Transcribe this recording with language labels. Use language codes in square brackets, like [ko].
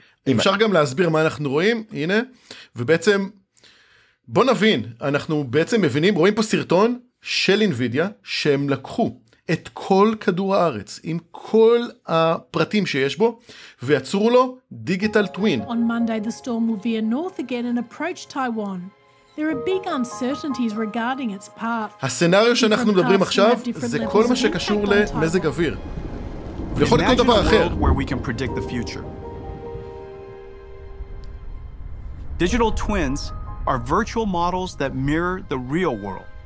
[he] אפשר גם להסביר מה אנחנו רואים, הנה, ובעצם, בוא נבין, אנחנו בעצם מבינים, רואים פה סרטון של אינווידיה, שהם לקחו את כל כדור הארץ, עם כל הפרטים שיש בו, ויצרו לו דיגיטל טווין. [en] On Monday, the storm will veer north again and approach Taiwan. There are big uncertainties regarding its path. [he] הסנריו שאנחנו מדברים עכשיו, זה כל מה שקשור למזג אוויר. ויכול להיות כל דבר אחר. [en] Where we can predict the future. Digital twins are virtual models that mirror the real world.